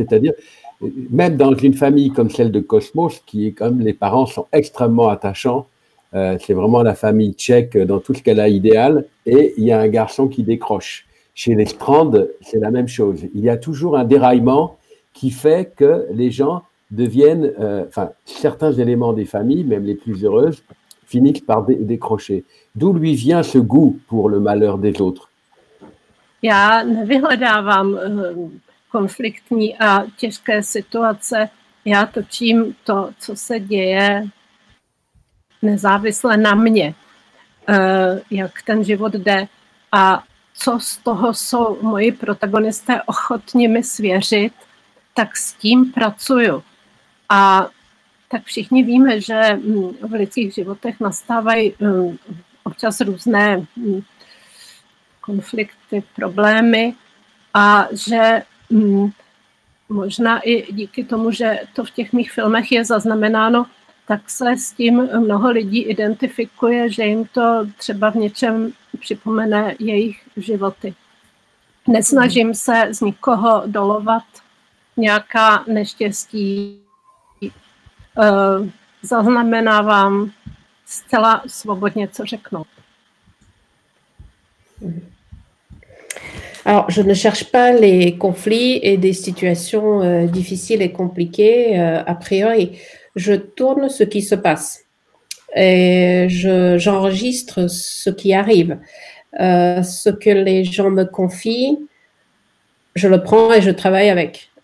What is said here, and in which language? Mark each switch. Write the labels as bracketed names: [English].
[French] C'est-à-dire, même dans une famille comme celle de Cosmos, qui est quand même, les parents sont extrêmement attachants, c'est vraiment la famille tchèque dans tout ce qu'elle a idéal, et il y a un garçon qui décroche. Chez les Strand, c'est la même chose. Il y a toujours un déraillement qui fait que les gens deviennent, enfin, certains éléments des familles, même les plus heureuses, finissent par décrocher. D'où lui vient ce goût pour le malheur des autres? [Czech] Já nevyhledávám konfliktní a těžké situace. Já točím to, co se děje nezávisle na mně, jak ten život jde a co z toho jsou moji protagonisté ochotni mi svěřit, tak s tím pracuju. A tak všichni víme, že v lidských životech nastávají občas různé konflikty, problémy a že možná i díky tomu, že to v těch mých filmech je zaznamenáno, tak se s tím mnoho lidí identifikuje, že jim to třeba v něčem připomene jejich životy. Nesnažím se z nikoho dolovat nějaká neštěstí. Zaznamenávám zcela svobodně, co řeknu. [French] Alors, je ne cherche pas les conflits et des situations difficiles et compliquées a priori. Je tourne ce qui se passe et j'enregistre ce qui arrive. Ce que les gens me confient, je le prends et je travaille avec.